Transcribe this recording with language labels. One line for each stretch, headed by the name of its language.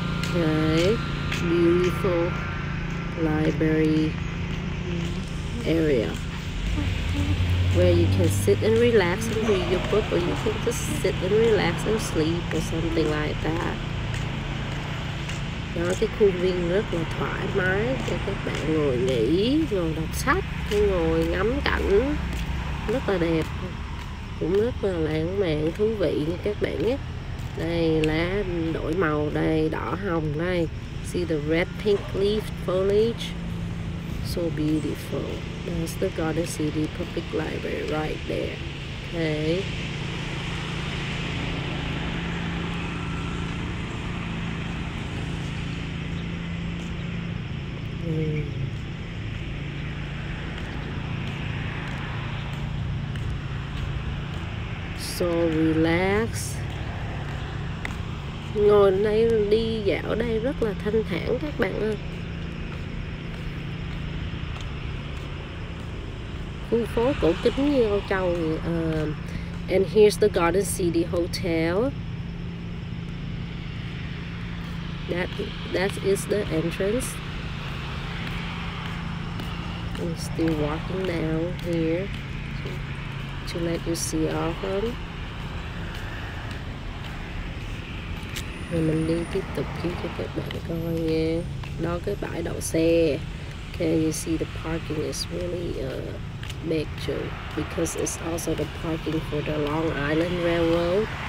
English: Okay, beautiful library area where you can sit and relax and read your book, or you can just sit and relax and sleep or something like that.
Vietnamese: Đó, cái khu viên rất là thoải mái cho các bạn ngồi nghỉ, ngồi đọc sách, ngồi ngắm cảnh rất là đẹp, cũng rất là lãng mạn, thú vị nha các bạn nhé. Đây, lá đổi màu đây, đỏ hồng đây.
English: See the red pink leaf foliage. So beautiful. That's the Garden City Public Library right there. Okay. So relax.
Vietnamese: Ngồi đây đi dạo đây rất là thanh thản các bạn ơi. Khu phố cổ kính như Âu Châu.
English: And here's the Garden City Hotel. That is the entrance. I'm still walking down here to let you see all of them.
Vietnamese: Rồi mình đi tiếp tục kia cho các bạn coi nha. Đó cái bãi đậu xe.
English: Okay, you see the parking is really big too, because it's also the parking for the Long Island Railroad.